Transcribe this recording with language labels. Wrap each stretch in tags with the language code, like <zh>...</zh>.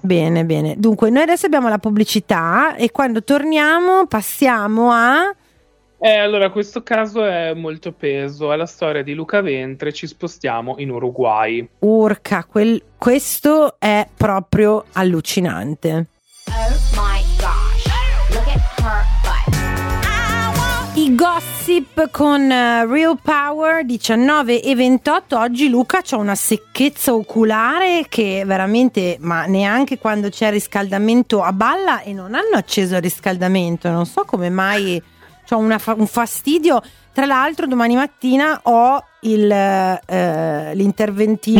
<it>Bene, dunque noi adesso abbiamo la pubblicità e quando torniamo passiamo a... Allora, questo caso è molto peso, è la storia di Luca Ventre, ci spostiamo in Uruguay. Urca, questo è proprio allucinante.</it> <en>Oh my gosh, look at her butt.</en> <it>I gossip con Real Power, 19:28, oggi Luca c'ha una secchezza oculare che veramente, ma neanche quando c'è riscaldamento a balla, e non hanno acceso il riscaldamento, non so come mai... C'ho un fastidio. Tra l'altro, domani mattina ho l'interventino.</it>